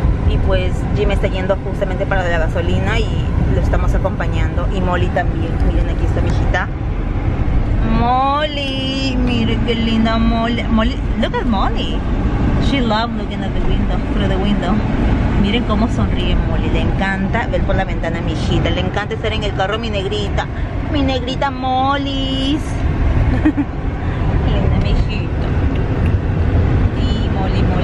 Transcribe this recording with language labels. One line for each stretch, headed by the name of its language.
Spanish: Y pues Jim está yendo justamente para la gasolina y lo estamos acompañando, y Molly también. Miren, aquí está mi hijita Molly. Miren qué linda Molly.
English: Look at Molly. She loves looking at the window, through the window.
Spanish: Miren cómo sonríe Molly. Le encanta ver por la ventana a mi hijita. Le encanta estar en el carro, mi negrita. Mi negrita Molly's. Linda mi hijita. Y Molly.